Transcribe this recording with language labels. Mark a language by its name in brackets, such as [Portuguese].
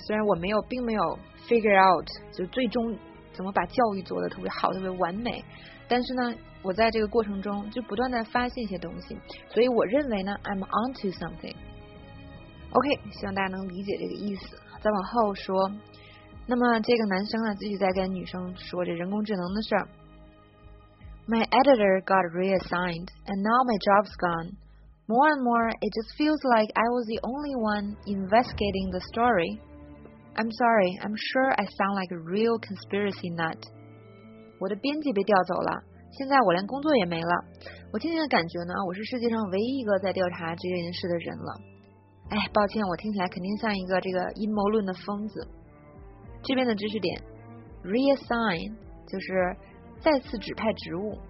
[Chinese] 虽然我并没有 figure out 就最终。怎么把教育做得特别好特别完美，但是呢我在这个过程中就不断地发现一些东西，所以我认为呢 [English] I'm onto something。 [Chinese] OK， 希望大家能理解这个意思。再往后说，那么这个男生呢继续在跟女生说这人工智能的事儿。 [English] My editor got reassigned and now my job's gone. More and more it just feels like I was the only one investigating the storyI'm sorry, I'm sure I sound like a real conspiracy nut. [Chinese] 我的编辑被调走了，现在我连工作也没了。我今天的感觉呢，我是世界上唯一一个在调查这件事的人了。哎，抱歉，我听起来肯定像一个这个阴谋论的疯子。这边的知识点 ，reassign 就是再次指派职务。